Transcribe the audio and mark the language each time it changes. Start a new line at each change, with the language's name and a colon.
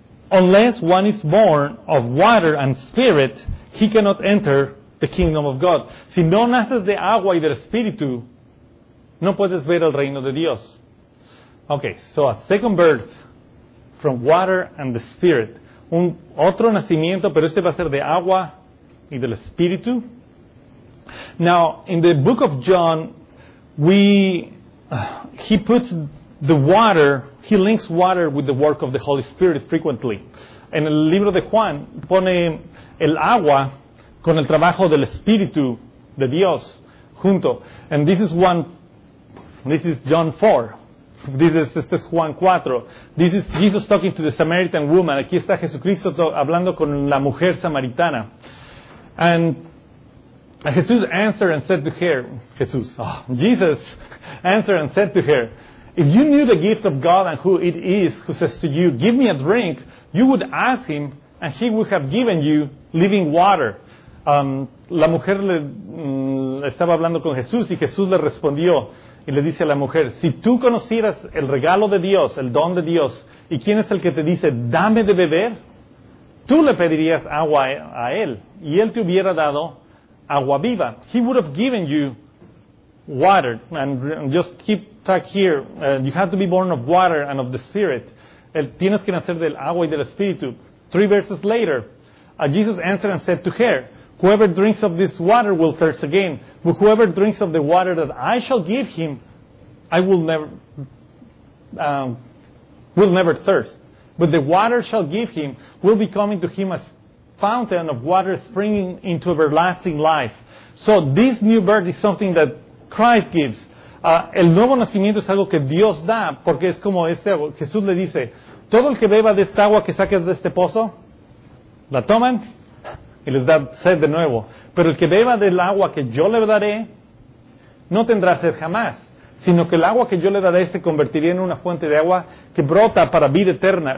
English: Unless one is born of water and spirit, he cannot enter the kingdom of God.
Spanish: Si no naces de agua y del espíritu, no puedes ver el reino de Dios.
English: Okay, so a second birth from water and the spirit.
Spanish: Un otro nacimiento, pero este va a ser de agua y del espíritu.
English: Now, in the book of John, he puts the water, he links water with the work of the Holy Spirit frequently.
Spanish: En el libro de Juan, pone el agua con el trabajo del Espíritu de Dios junto.
English: And this is John 4.
Spanish: Este es Juan 4.
English: This is Jesus talking to the Samaritan woman.
Spanish: Aquí está Jesucristo hablando con la mujer samaritana.
English: And Jesus answered and said to her, Jesus answered and said to her, if you knew the gift of God and who it is who says to you, give me a drink, you would ask him and he would have given you living water.
Spanish: La mujer le estaba hablando con Jesús y Jesús le respondió y le dice a la mujer, si tú conocieras el regalo de Dios, el don de Dios, y quién es el que te dice, dame de beber, tú le pedirías agua a él y él te hubiera dado agua viva.
English: He would have given you water. And just keep track here, you have to be born of water and of the Spirit.
Spanish: Tienes que nacer del agua y del Espíritu.
English: Three verses later, Jesus answered and said to her, whoever drinks of this water will thirst again, but whoever drinks of the water that I shall give him, I will never thirst. But the water shall give him will be coming to him a fountain of water springing into everlasting life. So this new birth is something that Christ gives.
Spanish: El nuevo nacimiento es algo que Dios da, porque es como este agua. Jesús le dice, todo el que beba de esta agua que saques de este pozo la toman y les da sed de nuevo. Pero el que beba del agua que yo le daré, no tendrá sed jamás, sino que el agua que yo le daré se convertiría en una fuente de agua que brota para vida eterna.